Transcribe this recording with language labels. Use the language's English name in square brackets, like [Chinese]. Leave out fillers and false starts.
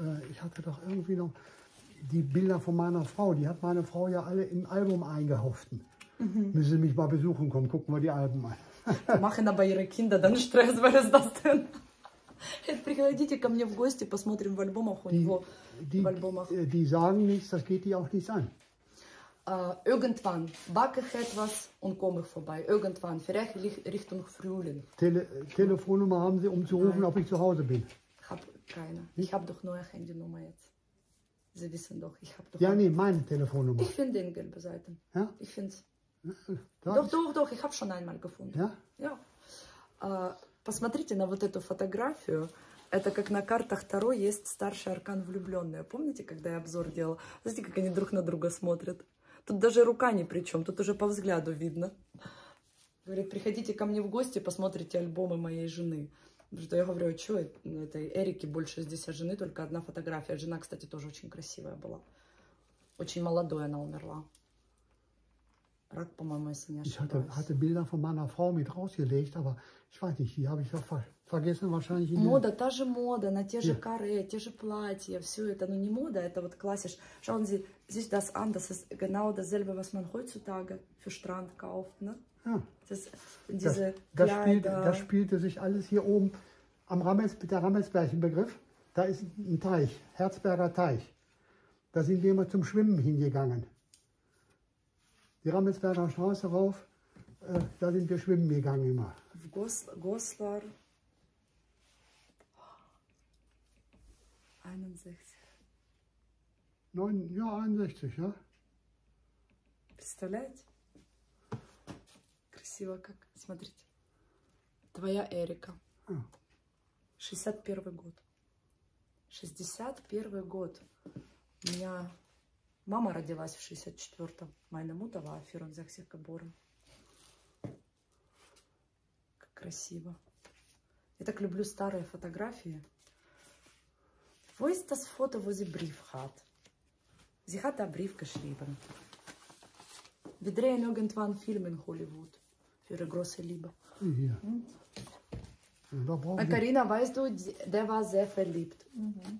[German] ich hatte doch irgendwie noch... Die Bilder von meiner Frau, die hat meine Frau ja alle im Album eingehofften. Mhm. Müssen Sie mich mal besuchen kommen, gucken wir die Alben an. Machen aber Ihre Kinder dann Stress, weil es das denn? Jetzt [Russian] приходите ко мне в гости, посмотрим в альбомах у него. [German] Die sagen nichts, das geht die auch nichts an. Irgendwann backe ich etwas und komme vorbei. Irgendwann, vielleicht Richtung Frühling. Telefonnummer haben Sie, um zu rufen, Nein. ob ich zu Hause bin? Ich habe keine. Ich habe doch neue Handynummer jetzt. Sie wissen doch, ich habe doch... Ja, nee, meine Telefonnummer. Ich finde den gelben Seiten. Ja? Ich finde es. Doch, ich habe schon einmal gefunden. Ja? Ja. [Russian] Посмотрите на вот эту фотографию. Это как на картах Таро есть старший аркан влюбленная. Помните, когда я обзор делала? Смотрите, как они друг на друга смотрят. Тут даже рука ни при чем, тут уже по взгляду видно. Говорит, приходите ко мне в гости, посмотрите альбомы моей жены. Что я говорю, что этой Эрики больше здесь, а жены только одна фотография. Жена, кстати, тоже очень красивая была. Очень молодой она умерла. Рак, по-моему, если не ошибаюсь. Я [German] hatte Bilder von meiner Frau mit rausgelegt, aber ich weiß nicht, die habe ich auch vergessen, wahrscheinlich. [Russian] Мода, та же мода, на те же каре, те же платья, все это. Ну не мода, это вот классиш. [German] Schauen Sie, sieht das anders, das ist genau dasselbe, was man heutzutage für Strand kauft, ne? Das spielte sich alles hier oben am Rammelsberg, der Rammelsberg im Begriff. Da ist ein Teich, Herzberger Teich. Da sind wir immer zum Schwimmen hingegangen. Die Rammelsberger Straße rauf, da sind wir schwimmen gegangen immer. Goslar 61. Ja, 61, ja. [Russian] Красиво как. Смотрите. Твоя Эрика. 61-й год. 61-й год. У меня мама родилась в 64-м. Майна Мутова, Афирон Захсех Кабора. Как красиво. Я так люблю старые фотографии. [German] Wo ist das Foto, wo sie Brief hat? Sie hat da Brief geschrieben. Wir drehen irgendwann einen Film in Hollywood. Für ihre große Liebe. Hier. Und Carina, weißt du, der war sehr verliebt. Mhm.